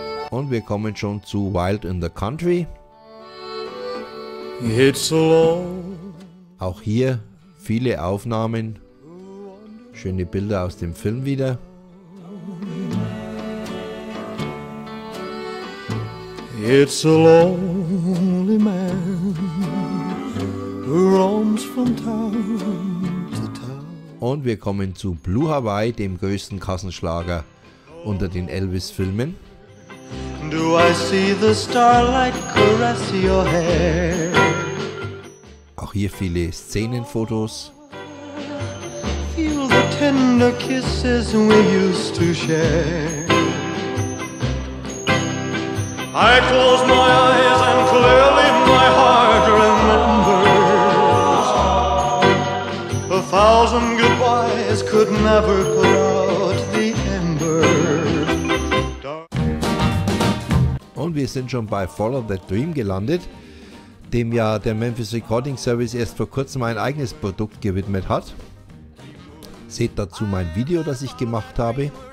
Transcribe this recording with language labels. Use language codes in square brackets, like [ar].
[de] Und wir kommen schon zu Wild in the Country. [en] It's alone. [de] Auch hier viele Aufnahmen. Schöne Bilder aus dem Film wieder. [en] It's a lonely man who roams from town to town. [de] Und wir kommen zu Blue Hawaii, dem größten Kassenschlager unter den Elvis-Filmen. [en] Do I see the starlight caress your hair? [de] Auch hier viele Szenenfotos. [en] Feel the tender kisses we used to share. I close my eyes and clearly my heart remembers. A thousand goodbyes could never put out the embers. [de] Und wir sind schon bei Follow That Dream gelandet. dem ja der Memphis Recording Service erst vor kurzem ein eigenes Produkt gewidmet hat. Seht dazu mein Video, das ich gemacht habe.